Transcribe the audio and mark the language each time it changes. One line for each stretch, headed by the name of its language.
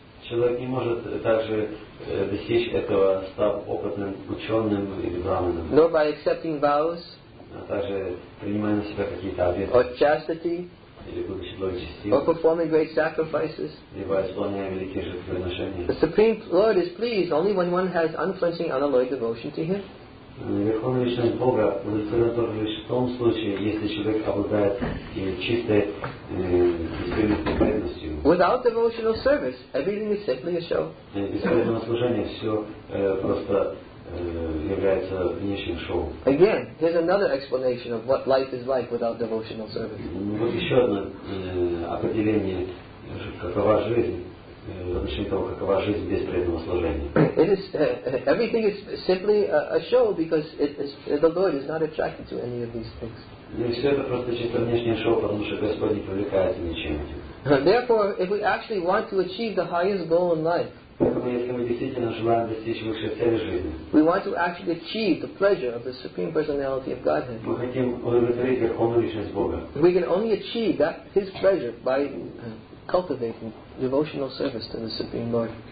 Russian: Человек не может также достичь этого, став опытным ученым или браманом. Но
English: by accepting vows,
Russian: а также принимая на себя какие-то обеты,
English: or chastity,
Russian: или будучи благочестивым,
English: or performing great sacrifices,
Russian: либо исполняя великие жертвоприношения,
English: the Supreme Lord is pleased only when one has unflinching unalloyed devotion to Him.
Russian: Верховная личность Бога удовлетворена только лишь в том случае, если человек обладает чистой искренностью и преданностью.
English: Without devotional service, everything is simply a show.
Russian: Бесполезное служение все просто является внешним шоу.
English: Again, here's another explanation of what life is like without devotional service.
Russian: Вот еще одно определение, какова жизнь. В отношении того, какова жизнь без преданного служения.
English: It is, everything is simply a show because the Lord is not attracted to any of these things.
Russian: И все это просто чисто внешнее шоу, потому что Господь не привлекается ничем этим.
English: Therefore, if we actually want to achieve the highest goal in life,
Russian: если мы действительно желаем достичь высшей цели жизни,
English: we want to actually achieve the pleasure of the Supreme Personality of Godhead.
Russian: Мы хотим удовлетворить Верховную Личность Бога.
English: We can only achieve that His pleasure by cultivating devotional service to the Supreme Lord.